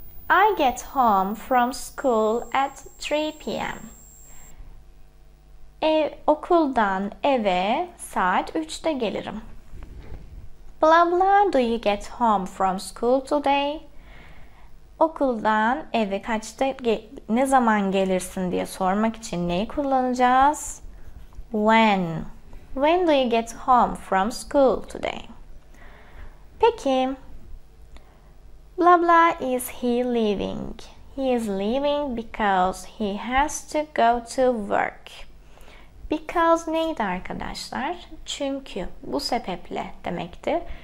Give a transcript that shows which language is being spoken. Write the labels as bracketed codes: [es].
[en] I get home from school at 3 p.m. [tr] Okuldan eve saat 3'te gelirim. [en] Blah blah, do you get home from school today? [tr] Okuldan eve kaçta, ne zaman gelirsin diye sormak için neyi kullanacağız? [en] When. When do you get home from school today? [tr] Peki. [en] Blah blah, is he leaving? He is leaving because he has to go to work. Because [tr] neydi arkadaşlar? Çünkü, bu sebeple demekti.